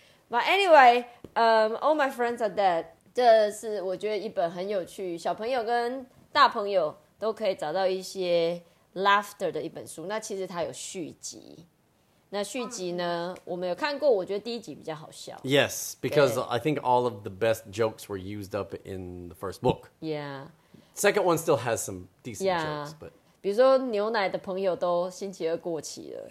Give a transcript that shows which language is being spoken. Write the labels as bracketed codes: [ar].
[en] But anyway, all my friends are dead. [zh] 这是我觉得一本很有趣,小朋友跟大朋友, 都可以找到一些 laughter 的一本书，那其实它有续集。那续集呢我们有看过我觉得第一集比较好笑 [en] Yes, because I think all of the best jokes were used up in the first book Yeah Second one still has some decent jokes but... [zh] 比如说牛奶的朋友都星期二过期了、